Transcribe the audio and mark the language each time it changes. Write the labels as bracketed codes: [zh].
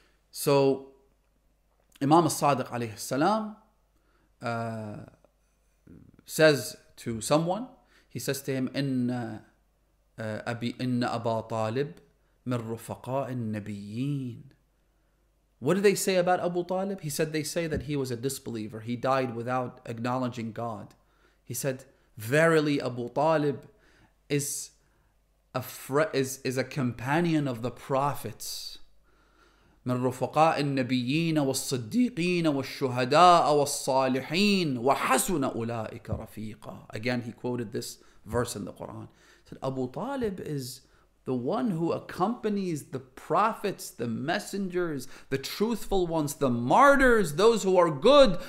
[en] So, Imam al-Sadiq alayhi salam says to someone, he says to him, [ar] إن أبا طالب من رفقاء النبيين. [en] What do they say about Abu Talib? He said, they say that he was a disbeliever. He died without acknowledging God. He said, verily Abu Talib is a companion of the prophets. [ar] من رفقاء النبيين والصديقين والشهداء والصالحين وحسن أولئك رفيقا. [en] Again, he quoted this verse in the Quran. He said, Abu Talib is the one who accompanies the prophets, the messengers, the truthful ones, the martyrs, those who are good.